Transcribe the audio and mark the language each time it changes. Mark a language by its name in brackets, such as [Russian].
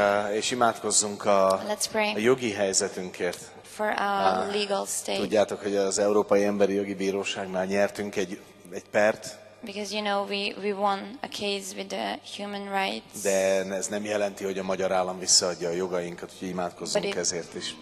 [Hungarian] És imádkozzunk a jogi helyzetünkért. [English] For our legal state. [Hungarian] Tudjátok, hogy az Európai Emberi Jogi Bíróságnál nyertünk egy pert. [English] Because you know we won a case with the human rights. [Hungarian] De ez nem jelenti, hogy a magyar állam visszaadja a jogainkat, úgyhogy imádkozzunk ezért is.